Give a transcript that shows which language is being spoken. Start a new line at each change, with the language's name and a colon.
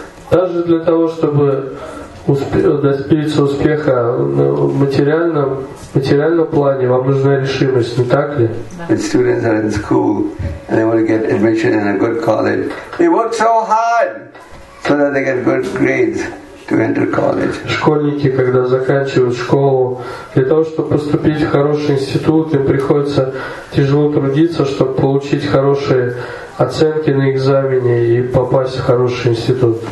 Russian: Даже для того, чтобы добиться успеха в материальном плане, вам нужна решимость, не так ли?
English: When students are in school and they want to get admission in a good college, they work so hard so that they get good grades to enter college.
Russian: Школьники, когда заканчивают школу, для того, чтобы поступить в хороший институт, им приходится тяжело трудиться, чтобы получить хорошие оценки на экзамене и попасть в хороший институт.